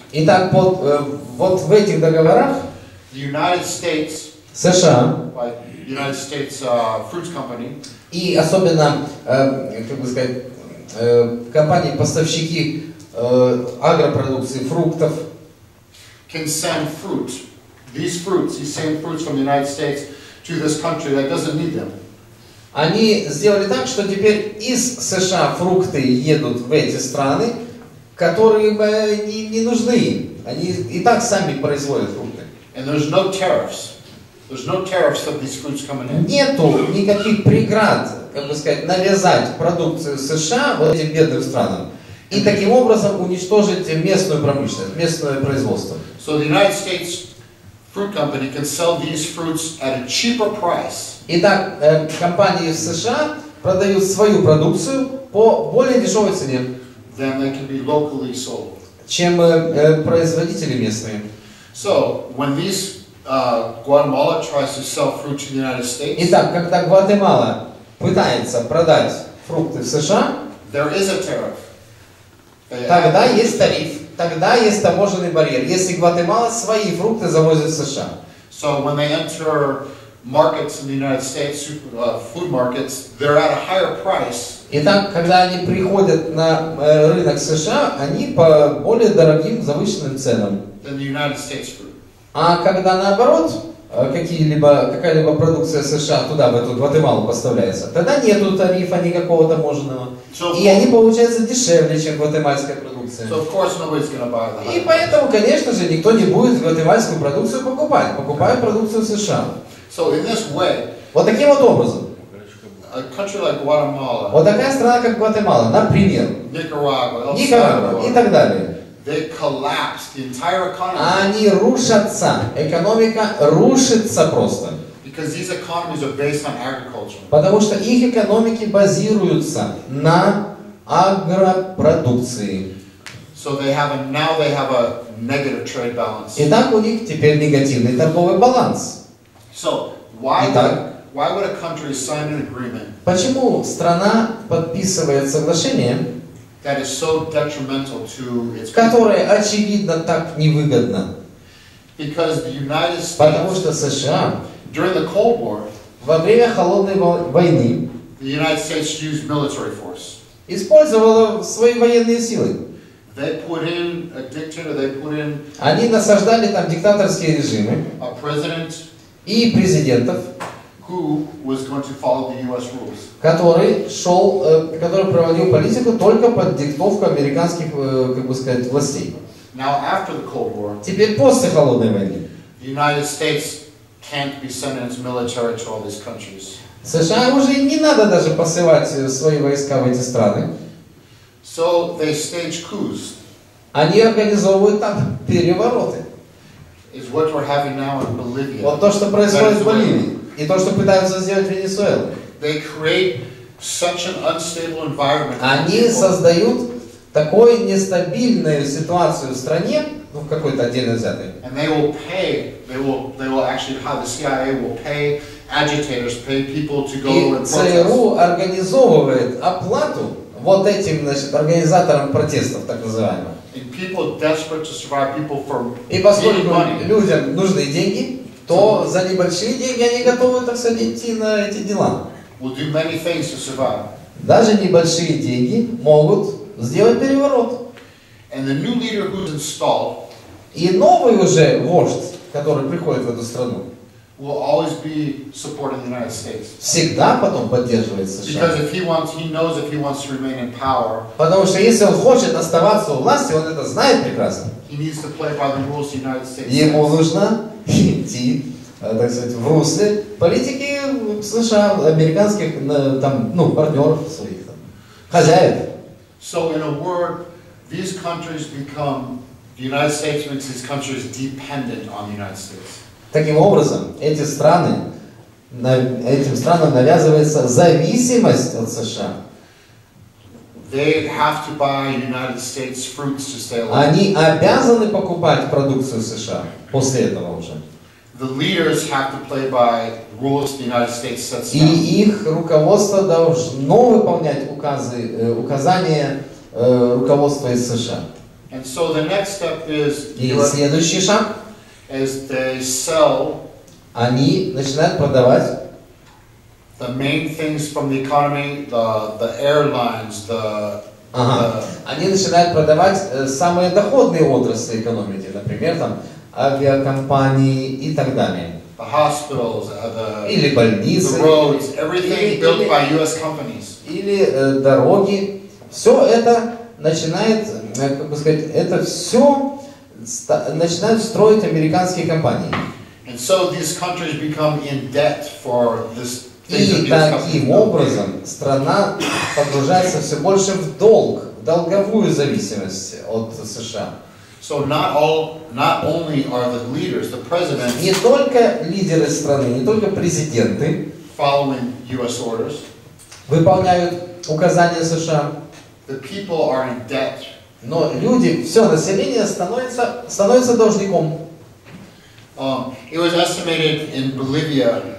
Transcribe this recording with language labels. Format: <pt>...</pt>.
<ru>Итак, вот в этих договорах</ru> <en>the United States,</en> <ru>США,</ru> <en>like United States, fruits company,</en> <ru>и особенно, как бы сказать, компании-поставщики агропродукции, фруктов,</ru> <en>can send fruit, these fruits, these same fruits from the United States to this country that doesn't need them.</en> <ru>Они сделали так, что теперь из США фрукты едут в эти страны, которые не нужны им. Они и так сами производят фрукты.</ru> <en>And there's no tariffs. There's no tariffs that these fruits come in.</en> <ru>Нету никаких преград, как бы сказать, навязать продукцию США вот этим бедным странам и таким образом уничтожить местную промышленность, местное производство.</ru> <en>So the United States fruit company can sell these fruits at a cheaper price.</en> <ru>Итак, компании в США продают свою продукцию по более дешевой цене.</ru> <en>Then they can be locally sold.</en> <ru>Чем производители местные.</ru> <en>So when these Guatemala tries to sell fruit to the United States.</en> <ru>Итак, когда Гватемала пытается продать фрукты в США,</ru> <en>there is a tariff.</en> <ru>Тогда есть тариф. Тогда есть таможенный барьер. Если Гватемала свои фрукты завозит в США.</ru> <en>So when they enter markets in the United States, food markets, they're at a higher price.</en> <ru>Итак, когда они приходят на рынок США, они по более дорогим, завышенным ценам.</ru> <en>Than the United States food.</en> <ru>А когда наоборот, какая-либо продукция США туда, в эту Гватемалу поставляется, тогда нету тарифа никакого таможенного.</ru> <en>So,</en> <ru>и они получаются дешевле, чем гватемальская продукция.</ru> <en>So, of course, nobody's gonna buy them.</en> <ru>И поэтому, конечно же, никто не будет гватемальскую продукцию покупать. Покупают продукцию США.</ru> <en>So in this way,</en> <ru>вот таким вот образом,</ru> <en>a country like Guatemala,</en> <ru>вот такая страна, как Гватемала, например, Никарагуа и так далее,</ru> <en>they collapse the entire economy.</en> <ru>Они рушатся, экономика рушится просто.</ru> <en>Because these economies are based on agriculture.</en> <ru>Потому что их экономики базируются на агропродукции.</ru> <en>So now they have a negative trade balance.</en> <ru>Итак, у них теперь негативный торговый баланс.</ru> <en>So why would a country sign an agreement?</en> <ru>Почему страна подписывает соглашение,</ru> <en>that is so detrimental to its,</en> <ru>которое очевидно так невыгодно?</ru> <en>Because the United States,</en> <ru>потому что США</ru> <en>during the Cold War,</en> <ru>во время холодной войны,</ru> <en>the United States used military force.</en> <ru>Использовала свои военные силы.</ru> <en>They put in a dictator. They put in.</en> <ru>Они насаждали там диктаторские режимы.</ru> <en>A president.</en> <ru>И президентов,</ru> <en>who was going to follow the US rules.</en> <ru>Который проводил политику только под диктовку американских, как бы сказать, властей.</ru> <en>Now, after the Cold War,</en> <ru>теперь после холодной войны,</ru> <en>the United States can't be sending its military to all these countries.</en> <ru>США уже не надо даже посылать свои войска в эти страны.</ru> <en>So they stage coups.</en> <ru>Они организовывают там перевороты.</ru> <en>Is what we're having now in Bolivia.</en> <ru>Вот то, что происходит в Боливии, и то, что пытаются сделать в Венесуэле.</ru> <en>They create such an unstable environment.</en> <ru>Они создают такую нестабильную ситуацию в стране, ну, в какой-то отдельно взятой.</ru> <en>And they will pay, they will actually, how the CIA will pay agitators, pay people to go and protest.</en> <ru>И ЦРУ организовывает оплату вот этим, значит, организаторам протестов, так называемых.</ru> <en>And people desperate to survive, people for money.</en> <ru>И поскольку людям нужны деньги, то за небольшие деньги они готовы, так сказать, идти на эти дела.</ru> <en>Will do many things to survive.</en> <ru>Даже небольшие деньги могут сделать переворот.</ru> <en>And the new leader who's installed.</en> <ru>И новый уже вождь, который приходит в эту страну,</ru> <en>will always be supporting the United States.</en> <ru>Всегда потом поддерживает США.</ru> <en>Because if he wants, he knows if he wants to remain in power.</en> <ru>Потому что если он хочет оставаться у власти, он это знает прекрасно.</ru> <en>He needs to play by the rules of the United States.</en> <ru>Ему нужно идти, так сказать, в русле политики США, американских там, ну, партнеров своих там, хозяев.</ru> <en>So in a word, these countries become, the United States makes these countries dependent on the United States.</en> <ru>Таким образом, эти страны, этим странам навязывается зависимость от США.</ru> <en>They have to buy United States fruits to stay alive.</en> <ru>Они обязаны покупать продукцию США после этого уже.</ru> <en>The leaders have to play by rules the United States sets down.</en> <ru>И их руководство должно выполнять указы, указания руководства из США.</ru> <en>And so the next step is.</en> <ru>И следующий шаг.</ru> <en>As they sell,</en> <ru>они начинают продавать</ru> <en>the main things from the economy, the airlines, the.</en> <ru>Они начинают продавать самые доходные отрасли экономики, например, там авиакомпании и так далее.</ru> <en>The hospitals, the.</en> <ru>Или больницы.</ru> <en>The roads, everything built by U.S. companies.</en> <ru>Или дороги. Все это начинает, как бы сказать, это все начинают строить американские компании.</ru> <en>And so these countries become in debt for this.</en> <ru>И таким образом страна погружается все больше в долг, в долговую зависимость от США.</ru> <en>So not only are the leaders, the presidents.</en> <ru>Не только лидеры страны, не только президенты.</ru> <en>Following U.S. orders.</en> <ru>Выполняют указания США.</ru> <en>The people are in debt.</en> <ru>Но люди, все население становится должником.</ru> <en>It was estimated in Bolivia.</en>